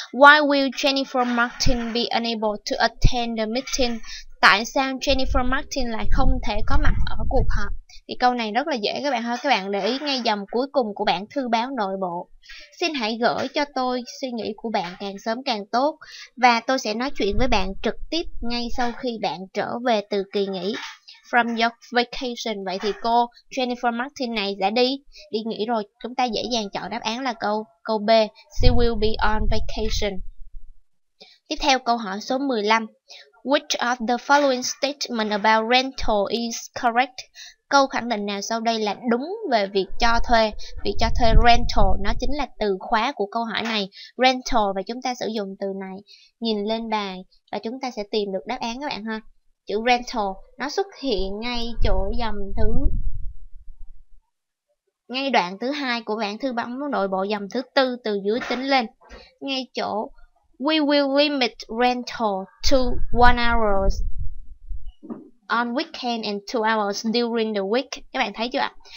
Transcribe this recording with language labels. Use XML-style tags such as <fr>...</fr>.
<en>Why will Jennifer Martin be unable to attend the meeting?</en> <vi>Tại sao Jennifer Martin lại không thể có mặt ở cuộc họp? Thì câu này rất là dễ các bạn ha. Các bạn để ý ngay dòng cuối cùng của bản thư báo nội bộ. Xin hãy gửi cho tôi suy nghĩ của bạn càng sớm càng tốt. Và tôi sẽ nói chuyện với bạn trực tiếp ngay sau khi bạn trở về từ kỳ nghỉ.</vi> <en>From your vacation.</en> <vi>Vậy thì cô Jennifer Martin này đã đi nghỉ rồi. Chúng ta dễ dàng chọn đáp án là câu B.</vi> <en>She will be on vacation.</en> <vi>Tiếp theo câu hỏi số 15.</vi> <en>Which of the following statement about rental is correct?</en> <vi>Câu khẳng định nào sau đây là đúng về việc cho thuê? Việc cho thuê rental, nó chính là từ khóa của câu hỏi này. Rental, và chúng ta sử dụng từ này. Nhìn lên bài và chúng ta sẽ tìm được đáp án các bạn ha. Chữ rental nó xuất hiện ngay chỗ dòng thứ, ngay đoạn thứ 2 của bản thư báo nội bộ, dòng thứ 4 từ dưới tính lên, ngay chỗ</vi> <en>we will limit rental to 1 hour on weekend and 2 hours during the week.</en> <vi>Các bạn thấy chưa ạ?</vi>